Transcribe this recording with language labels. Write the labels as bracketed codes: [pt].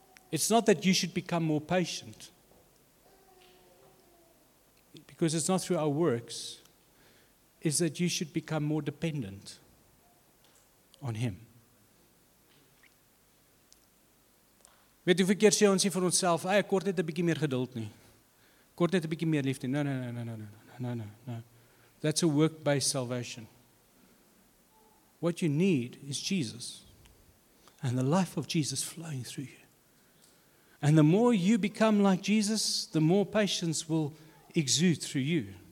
[en] It's not that you should become more patient, because it's not through our works. It's that you should become more dependent on him. [af] Weet u verkeer sê ons hier vir onsself, ek kort net 'n bietjie meer geduld nie. Kort net 'n bietjie meer liefde. [en] No. That's a work-based salvation. What you need is Jesus. And the life of Jesus flowing through you. And the more you become like Jesus, the more patience will exude through you.